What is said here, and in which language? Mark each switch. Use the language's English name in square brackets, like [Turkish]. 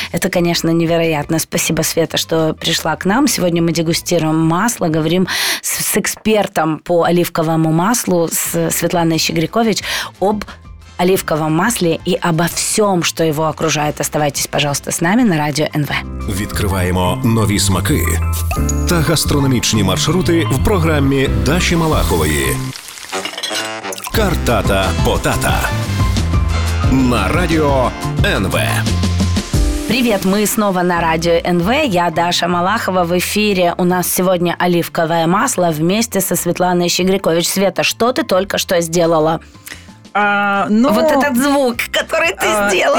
[Russian] Это, конечно, невероятно. Спасибо, Света, что пришла к нам. Сегодня мы дегустируем масло, говорим с экспертом по оливковому маслу, с Светланой Щегрякович, об оливковом масле и обо всем, что его окружает. Оставайтесь, пожалуйста, с нами на радио НВ. [Ukrainian] Відкриваємо нові смаки та гастрономічні маршрути в програмі Даші Малахової. Картата-потата. [Russian] на радио НВ. Привет, мы снова на радио НВ. Я Даша Малахова. В эфире у нас сегодня оливковое масло вместе со Светланой Щегрикович. Света, что ты только что сделала? Вот этот звук, который ты сделала.